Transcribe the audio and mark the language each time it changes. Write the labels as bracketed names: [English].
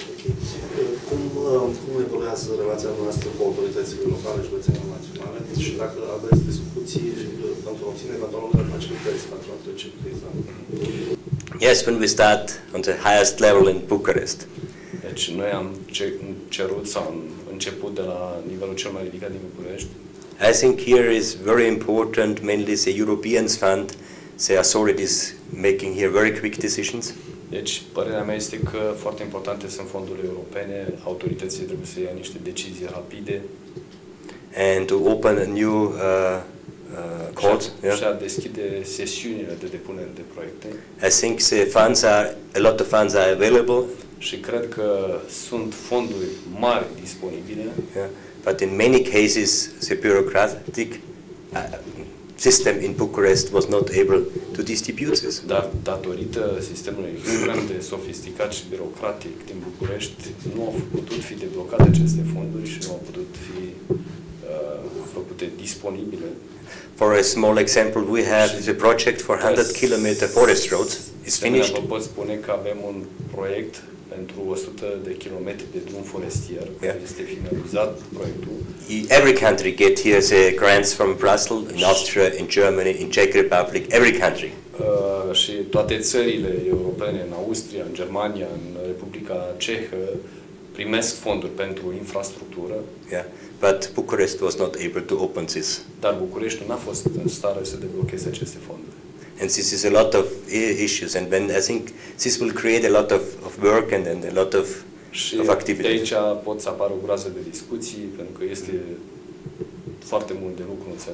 [Romanian] Cum evoluează relația noastră cu autoritățile locale, județene, naționale și dacă aveți discuții pentru a obține eventual unele facilități pentru a trece criza? [English] Yes, when we start on the highest level in Bucharest. [Romanian] Deci noi am cerut sau am început de la nivelul cel mai ridicat din București. [English] I think here is very important, mainly the Europeans fund, the authorities making here very quick decisions. [Romanian] Deci, părerea mea este că foarte importante sunt fondurile europene, autoritățile trebuie să ia niște decizii rapide. [English] And to open a new court. [Romanian] Și a deschide sesiunile de depunere de proiecte. [English] I think the funds are, a lot of funds are available. [Romanian] Și cred că sunt fonduri mari disponibile. [English] Yeah. But in many cases, the bureaucratic system in Bucharest was not able to distribute this. [Romanian] Dar datorită sistemului extrem de sofisticat și birocratic din București, nu au putut fi deblocate aceste fonduri și nu au putut fi făcute disponibile. [English] For a small example, we have the project for 100 km forest roads. It's finished. [Romanian] Vă pot spune că avem un proiect pentru 100 de kilometri de drum forestier, yeah. Este finalizat proiectul. [English] Every country get here the grants from Brussels, in Austria, in Germany, in Czech Republic, every country. [Romanian] Și toate țările europene, în Austria, în Germania, în Republica Cehă, primesc fonduri pentru infrastructură. [English] Yeah. But Bucharest was not able to open this. [Romanian] Dar București nu a fost în stare să deblocheze aceste fonduri. [English] And this is a lot of issues, and when I think this will create a lot of work and a lot of activity. [Romanian] De aici pot să apară o groază de discuții, pentru că este foarte mult de lucru în sensul